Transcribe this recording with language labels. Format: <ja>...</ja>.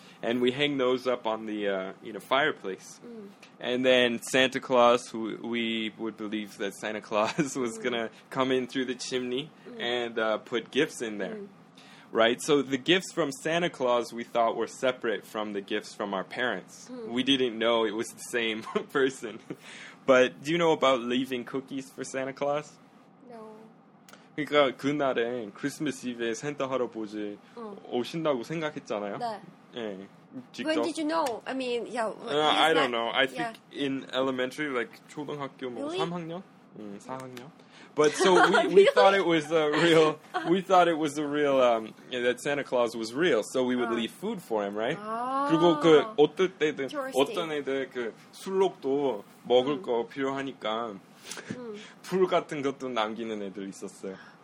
<en>And we hang those up on the, you know, fireplace. And then Santa Claus, we would believe that Santa Claus was going to come in through the chimney and put gifts in there. Right, so the gifts from Santa Claus we thought were separate from the gifts from our parents. We didn't know it was the same person. But do you know about leaving cookies for Santa Claus? No.</en> <ko>그러니까 그날에 크리스마스 이브에 산타 할아버지 오신다고 생각했잖아요. 네. 예. 직접?</ko> <en>When did you know? I mean, yeah. I don't know. I think in elementary, like</en> <ko>초등학교 뭐</ko> <en>really?</en> <ko>3학년? 4학년?</ko> <en>But so we really? Thought it was a real, we thought it was a real, that Santa Claus was real. So we would leave food for him, right? Oh.</en> <ko>그리고 그 어떨 때든 어떤 애들 그 술록도 먹을 거 필요하니까 불 같은 것도 남기는 애들 있었어요.</ko>